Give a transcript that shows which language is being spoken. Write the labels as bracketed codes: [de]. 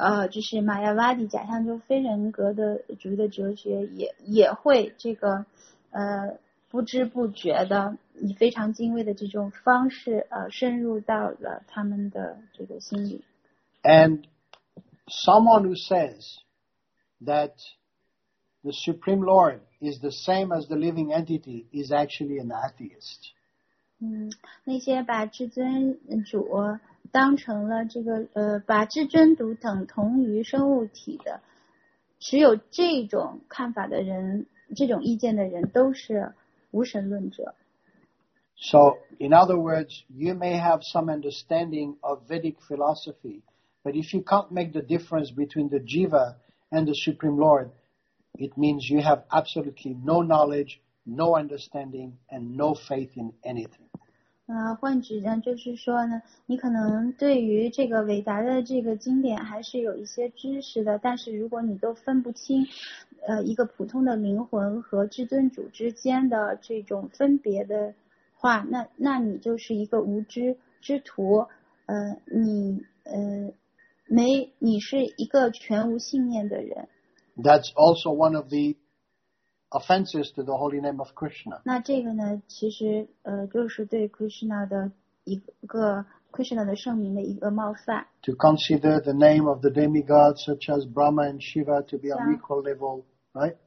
[zh] 就是玛雅瓦迪假象就非人格的主义的哲学也会这个不知不觉的以非常敬畏的这种方式深入到了他们的这个心里。 [en] And someone who says that the Supreme Lord is the same as the living entity is actually an atheist. [zh] 那些把至尊主当成了这个把至尊独等同于生物体的持有这种看法的人，这种意见的人都是无神论者。 [en] So in other words, you may have some understanding of Vedic philosophy, but if you can't make the difference between the jiva and the Supreme Lord, it means you have absolutely no knowledge, no understanding, and no faith in anything. [zh] 换句呢，就是说呢，你可能对于这个伟大的这个经典还是有一些知识的，但是如果你都分不清，一个普通的灵魂和至尊主之间的这种分别的话，那你就是一个无知之徒，你是一个全无信念的人。 [en] That's also one of the offenses to the holy name of Krishna. [zh] 那这个呢，其实就是对 Krishna 的一个 Krishna 的圣名的一个冒犯。 [en] To consider the name of the demigods such as Brahma and Shiva to be on equal level, right?